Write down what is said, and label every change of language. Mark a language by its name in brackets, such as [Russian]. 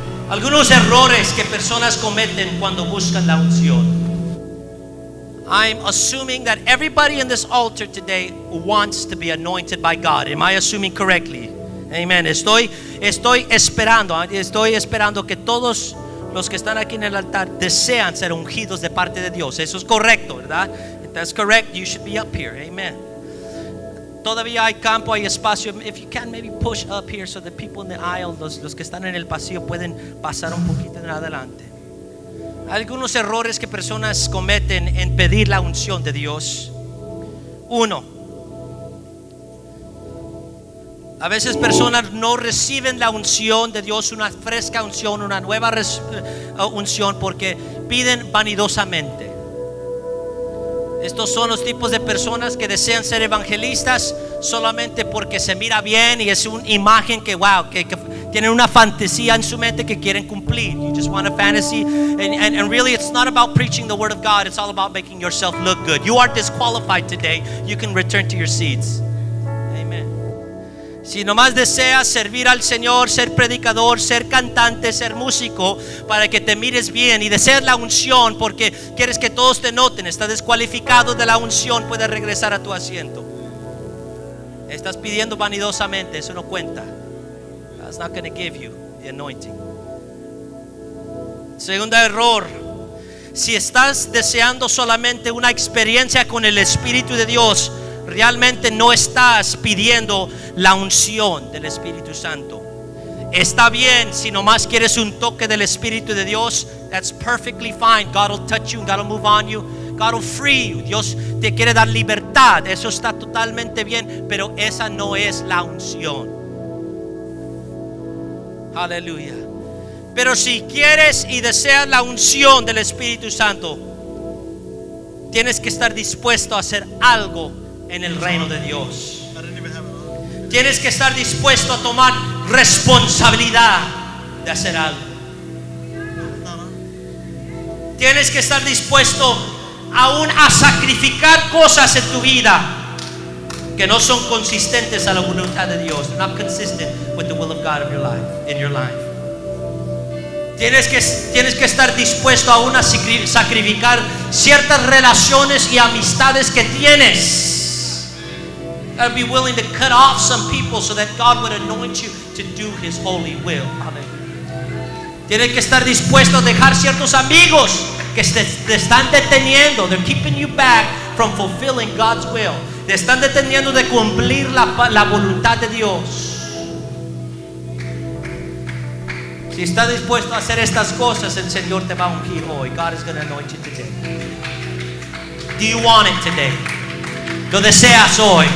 [Spanish] Algunos errores que personas cometen cuando buscan la unción. [English] I'm assuming that everybody in this altar today wants to be anointed by God. Am I assuming correctly? Amen. [Spanish] Estoy esperando que todos los que están aquí en el altar desean ser ungidos de parte de Dios. Eso es correcto, ¿verdad? [English] If that's correct, you should be up here. [Spanish] Amen. Todavía hay campo, hay espacio. [English] If you can, maybe push up here so the people in the aisle, [Spanish] los que están en el pasillo, [English] pueden pasar un poquito en adelante. [Spanish] Algunos errores que personas cometen en pedir la unción de Dios. Uno, a veces personas no reciben la unción de Dios, una fresca unción, una nueva unción, porque piden vanidosamente. Estos son los tipos de personas que desean ser evangelistas solamente porque se mira bien y es una imagen que wow, que tienen una fantasía en su mente que quieren cumplir. [English] You just want a fantasy, and really it's not about preaching the word of God, it's all about making yourself look good. You are disqualified today. You can return to your seats. Amen. [Spanish] Si nomás deseas servir al Señor, ser predicador, ser cantante, ser músico, para que te mires bien, y deseas la unción porque quieres que todos te noten, estás descualificado de la unción, puedes regresar a tu asiento. Estás pidiendo vanidosamente, eso no cuenta. [English] That's not going to give you the anointing. [Spanish] Segundo error: si estás deseando solamente una experiencia con el Espíritu de Dios, realmente no estás pidiendo la unción del Espíritu Santo. Está bien si nomás quieres un toque del Espíritu de Dios. [English] That's perfectly fine. God will touch you and God will move on you. God will free you. [Spanish] Dios te quiere dar libertad. Eso está totalmente bien, pero esa no es la unción. Aleluya. Pero si quieres y deseas la unción del Espíritu Santo, tienes que estar dispuesto a hacer algo en el reino de Dios. Tienes que estar dispuesto a tomar responsabilidad de hacer algo. Tienes que estar dispuesto aún a sacrificar cosas en tu vida que no son consistentes a la voluntad de Dios. [English] They're not consistent with the will of God in your life. [Spanish] Tienes que estar dispuesto aún a sacrificar ciertas relaciones y amistades que tienes. [English] And be willing to cut off some people so that God would anoint you to do His holy will. Amen. [Spanish] Tienes que estar dispuesto a dejar ciertos amigos que te están deteniendo. [English] They're keeping you back from fulfilling God's will. [Spanish] Te están deteniendo de cumplir la voluntad de Dios. Si estás dispuesto a hacer estas cosas, el Señor te va a ungir hoy. [English] God is going to anoint you today. Do you want it today? [Spanish] Lo deseas hoy.